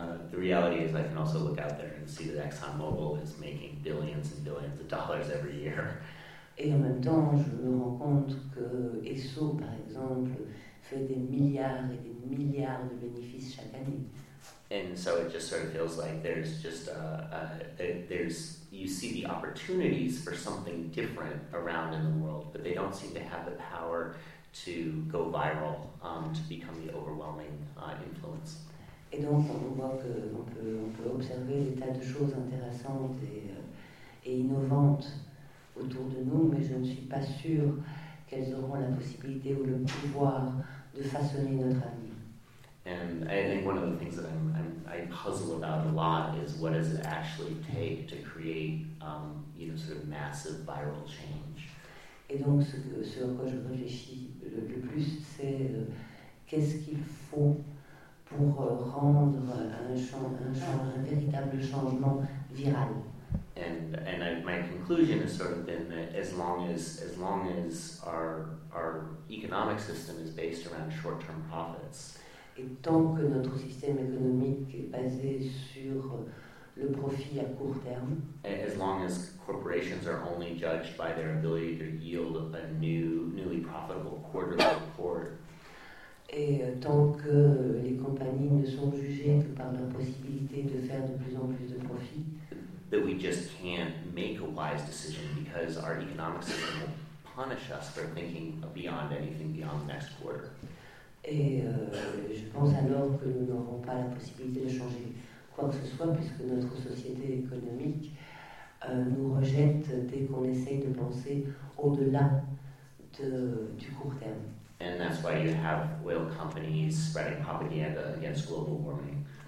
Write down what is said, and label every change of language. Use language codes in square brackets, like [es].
[en] The reality is I can also look out there and see that ExxonMobil is making billions and billions of dollars every year. [fr] Et en même temps, je me rends compte que Esso, par exemple, fait des milliards et des milliards de bénéfices chaque année. [en] And so it just sort of feels like there's just there's you see the opportunities for something different around in the world, but they don't seem to have the power to go viral, to become the overwhelming influence. [fr] Et donc on voit que on peut observer des tas de choses intéressantes et innovantes autour de nous, mais je ne suis pas sûre qu'elles auront la possibilité ou le pouvoir de façonner notre avenir. [en] And I think one of the things that I puzzle about a lot is what does it actually take to create, sort of massive viral change. [fr] Et donc ce à quoi je réfléchis le plus, c'est qu'est-ce qu'il faut pour rendre un véritable changement viral. [en] And my conclusion has sort of been that as long as our economic system is based around short-term profits. [fr] Et tant que notre système économique est basé sur le profit à court terme, [en] as long as corporations are only judged by their ability to yield a newly profitable quarterly report, [fr] et tant que les compagnies ne sont jugées que par leur possibilité de faire de plus en plus de profit, [en] that we just can't make a wise decision because our economic system will punish us for thinking beyond anything beyond the next quarter. [fr] Et je pense alors que nous n'aurons pas la possibilité de changer quoi que ce soit puisque notre société économique nous rejette dès qu'on essaye de penser au-delà du court terme. [en] And that's why you have oil companies spreading propaganda against global warming.